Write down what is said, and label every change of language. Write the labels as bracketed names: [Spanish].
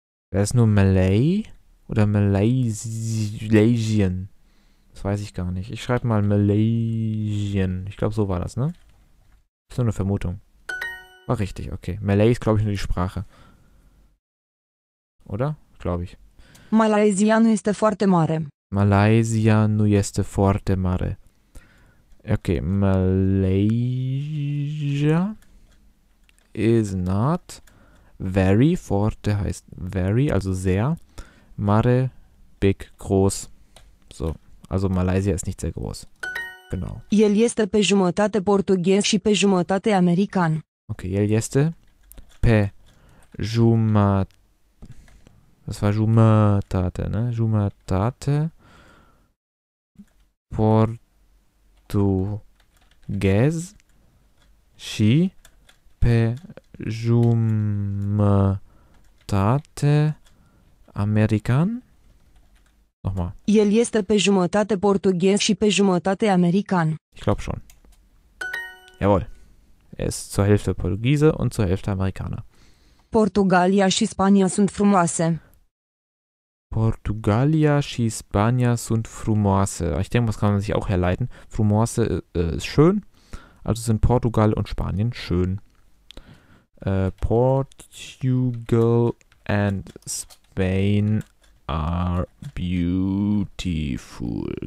[German] Wäre es nur Malay? Oder Malaysian? Das weiß ich gar nicht. Ich schreibe mal Malaysian. Ich glaube, so war das, ne? Ist nur eine Vermutung. War richtig, okay. Malay ist, glaube ich, nur die Sprache. Oder? Glaube ich. [Romanian] Malaysia nu este foarte mare. Malaysia nu este foarte mare. [German] Okay, Malaysia. [English] Is not very, [German] forte heißt very, also sehr, mare, big, groß, so, also Malaysia ist nicht sehr groß, genau. [Romanian] El este pe jumătate portughez și pe jumătate american. Okay, el este pe jumătate, [German] das war [Romanian] jumătate, ne, jumătate portughez și pe jumătate american? [German] Nochmal. [Romanian] El este pe jumătate portughez și pe jumătate american. [German] Ich glaube schon. Jawohl. Er ist zur Hälfte Portugiese und zur Hälfte Amerikaner. [Romanian] Portugalia și Spania sunt frumoase. Portugalia și Spania sunt frumoase. [German] Ich denke, das kann man sich auch herleiten. Frumoase ist schön. Also sind Portugal und Spanien schön. [English] Portugal and Spain are beautiful.